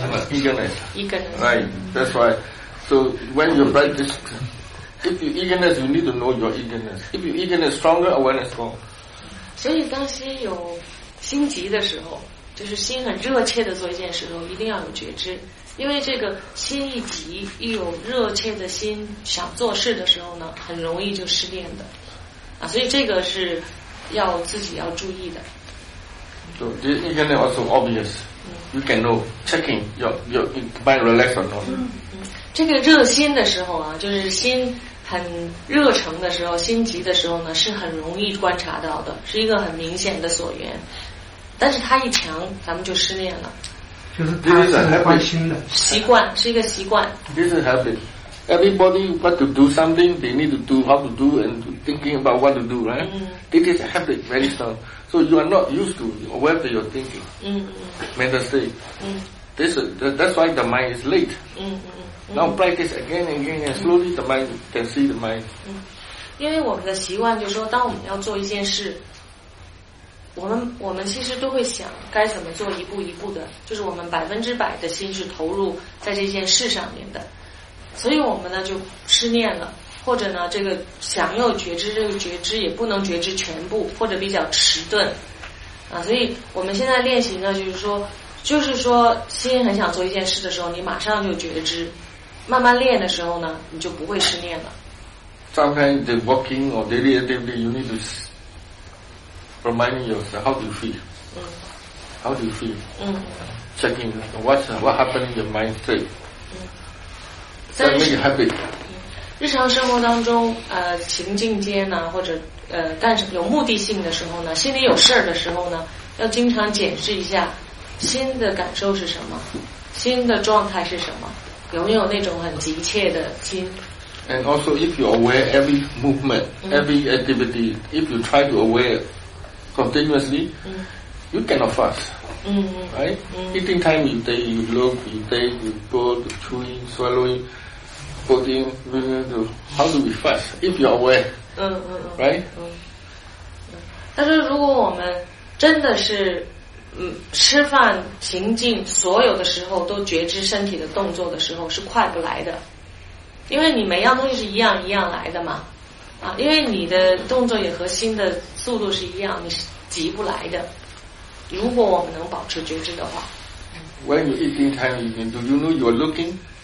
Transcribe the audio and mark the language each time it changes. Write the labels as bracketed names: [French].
[English] Eagerness. Right, that's right. So when you practice, if you eagerness, you need to know your eagerness. If you eagerness stronger, awareness more. [Chinese] 所以当心有心急的时候，就是心很热切的做一件事的时候，一定要有觉知。因为这个心一急，一有热切的心想做事的时候呢，很容易就失恋的，啊，所以这个是要自己要注意的。 [English] So the eagerness also obvious. You can know checking your mind relax or not. [Chinese] 这个热心的时候啊，就是心很热诚的时候，心急的时候呢，是很容易观察到的，是一个很明显的所缘。但是它一强，咱们就失恋了。就是他是很关心的，习惯是一个习惯。 [English] This is habit. Everybody want to do something, they need to do how to do and thinking about what to do, right? It is a habit, very strong. So you are not used to aware that you're thinking. Mental state. That's why the mind is late. Now practice again and again and slowly the mind can see the mind. [Chinese] 因为我们的习惯就是说，当我们要做一件事。我们其实都会想该怎么做，一步一步的，就是我们100%的心是投入在这件事上面的，所以我们呢就失念了，或者呢这个想要觉知，这个觉知也不能觉知全部，或者比较迟钝啊。所以我们现在练习呢，就是说心很想做一件事的时候，你马上就觉知，慢慢练的时候呢，你就不会失念了。 [English] Sometimes the walking or daily activity, you need to. Reminding yourself, how do you feel? How do you feel? Checking, what happened in your mind state? That make you happy. [Chinese] 日常生活当中，情境间呢，或者干什么有目的性的时候呢，心里有事儿的时候呢，要经常检视一下心的感受是什么，心的状态是什么，有没有那种很急切的心。 [English] And also, if you aware every movement, every activity, if you try to aware. Continuously, you cannot fast. Eating time, you take, you look, you take, you put, chewing, swallowing, putting, how do we fast? If you are aware, right? [Chinese] 但是如果我们真的是吃饭情境所有的时候都觉知身体的动作的时候，是快不来的，因为你每样东西是一样一样来的嘛，啊，因为你的动作也和心的速度是一样，你是。急不来的，如果我们能保持觉知的话。 [English] When you eating time, do you know you're looking?